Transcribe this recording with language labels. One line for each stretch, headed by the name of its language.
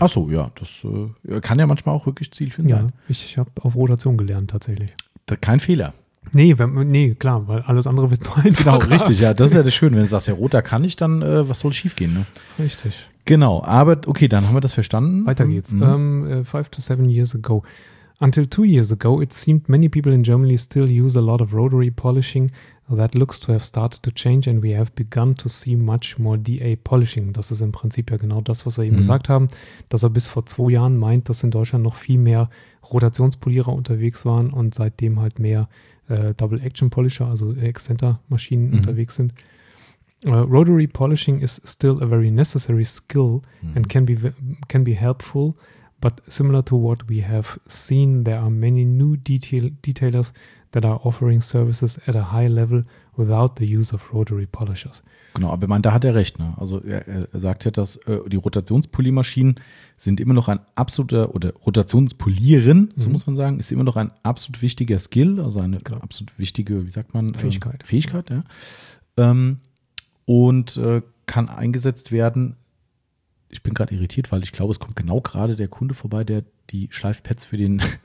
German: Ach so, ja, das kann ja manchmal auch wirklich zielführend sein. Ich habe auf Rotation gelernt tatsächlich. Kein Fehler. Nee, klar, weil alles andere wird neu. Genau, richtig, ja, das ist ja das Schöne, wenn du sagst, ja, roter kann ich, dann was soll schief gehen, ne? Richtig. Genau, aber okay, dann haben wir das verstanden. Weiter geht's.
English: 5 to 7 years ago. Until 2 years ago, it seemed many people in Germany still use a lot of rotary polishing. That looks to have started to change and we have begun to see much more DA polishing.
German: Das ist im Prinzip ja genau das, was wir eben gesagt haben, dass er bis vor 2 Jahren meint, dass in Deutschland noch viel mehr Rotationspolierer unterwegs waren und seitdem halt mehr Double Action Polisher, also Exzenter Maschinen unterwegs sind.
English: Rotary polishing is still a very necessary skill and can be helpful, But similar to what we have seen, there are many new detailers that are offering services at a high level without the use of rotary polishers.
German: Genau, aber ich meine, da hat er recht. Ne? Also er sagt ja, dass die Rotationspoliermaschinen sind immer noch ein absoluter, oder Rotationspolieren, so muss man sagen, ist immer noch ein absolut wichtiger Skill, also eine absolut wichtige, wie sagt man? Fähigkeit. Fähigkeit, ja. Und kann eingesetzt werden. Ich bin gerade irritiert, weil ich glaube, es kommt genau gerade der Kunde vorbei, der die Schleifpads für den